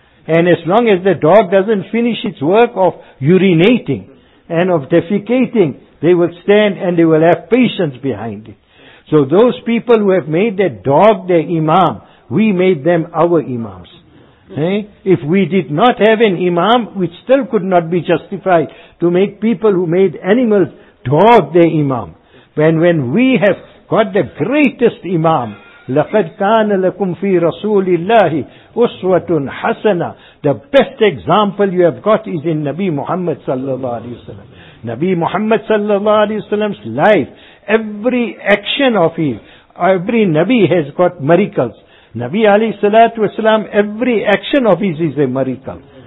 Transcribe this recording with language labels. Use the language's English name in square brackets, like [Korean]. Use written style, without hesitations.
[English] And as long as the dog doesn't finish its work of urinating and of defecating, they will stand and they will have patience behind it. So those people who have made their dog their imam, we made them our imams. If we did not have an imam, we still could not be justified to make people who made animals dog their imam. When we have got the greatest imam, [Arabic] لَقَدْ كَانَ لَكُمْ فِي رَسُولِ اللَّهِ أُسْوَةٌ حَسَنًا. [English] The best example you have got is in Nabi Muhammad sallallahu alayhi wa sallam. Nabi Muhammad sallallahu alayhi wa sallam's life, every action of him, every Nabi has got miracles. Nabi alayhi salatu wa sallam, every action of his is a miracle.